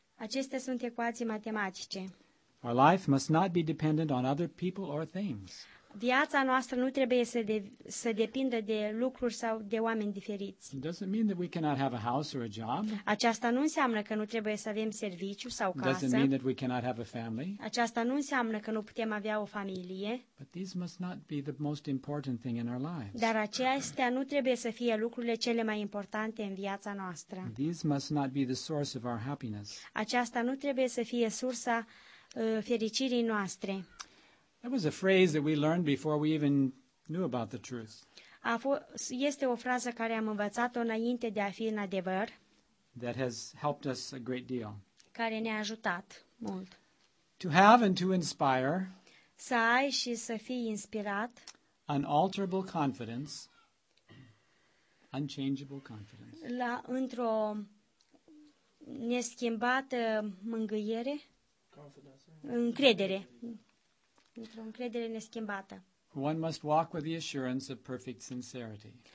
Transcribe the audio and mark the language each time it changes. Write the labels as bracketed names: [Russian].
[Romanian] Acestea sunt ecuații matematice. [English] Our life must not be dependent on other people or things. [Romanian] Viața noastră nu trebuie să depindă de lucruri sau de oameni diferiți. [English] It doesn't mean that we cannot have a house or a job. [Romanian] Aceasta nu înseamnă că nu trebuie să avem serviciu sau casă. [English] It doesn't mean that we cannot have a family. [Romanian] Aceasta nu înseamnă că nu putem avea o familie. [English] But these must not be the most important thing in our lives. [Romanian] Dar acestea nu trebuie să fie lucrurile cele mai importante în viața noastră. [English] These must not be the source of our happiness. [Romanian] Aceasta nu trebuie să fie sursa fericirii noastre. [English] That was a phrase that we learned before we even knew about the truth. [Romanian] Este o frază care am învățat-o înainte de a fi în adevăr. [English] That has helped us a great deal. [Romanian] Care ne-a ajutat mult. [English] To have and to inspire. [Romanian] Să ai și să fii inspirat. [English] Unalterable confidence. Unchangeable confidence. [Romanian] La într-o neschimbată mângâiere. Încredere. Într-o încredere neschimbată. [English] One must walk with the assurance of perfect sincerity.